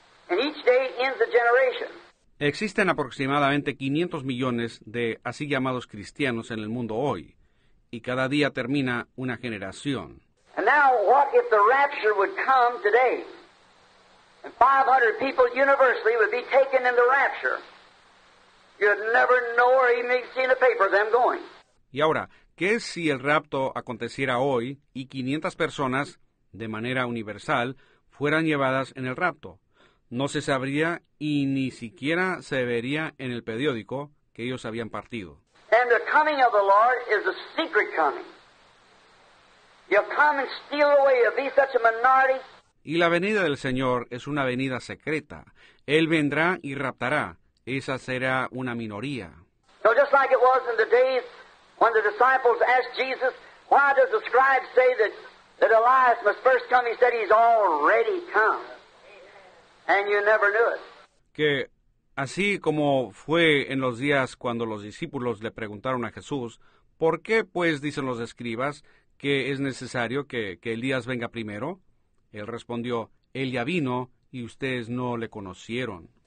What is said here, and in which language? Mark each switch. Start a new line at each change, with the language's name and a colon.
English: And each day ends a generation.
Spanish: Existen aproximadamente 500 millones de así llamados cristianos en el mundo hoy, y cada día termina una generación.
English: And now, what if the rapture would come today, and 500 people universally would be taken in the rapture? You'd never know or even see in the paper them going.
Spanish: Y ahora, ¿qué si el rapto aconteciera hoy y 500 personas, de manera universal, fueran llevadas en el rapto? No se sabría y ni siquiera se vería en el periódico que ellos habían partido.
English: And the coming of the Lord is a secret coming. You'll come and steal away. You'll be such a minority.
Spanish: Y la venida del Señor es una venida secreta. Él vendrá y raptará. Esa será una minoría.
English: So just like it was in the days when the disciples asked Jesus, why does the scribe say that Elias must first come? He said he's already come. And you never knew it.
Spanish: Que así como fue en los días cuando los discípulos le preguntaron a Jesús, ¿por qué, pues, dicen los escribas, que es necesario que Elías venga primero? Él respondió, él ya vino y ustedes no le conocieron.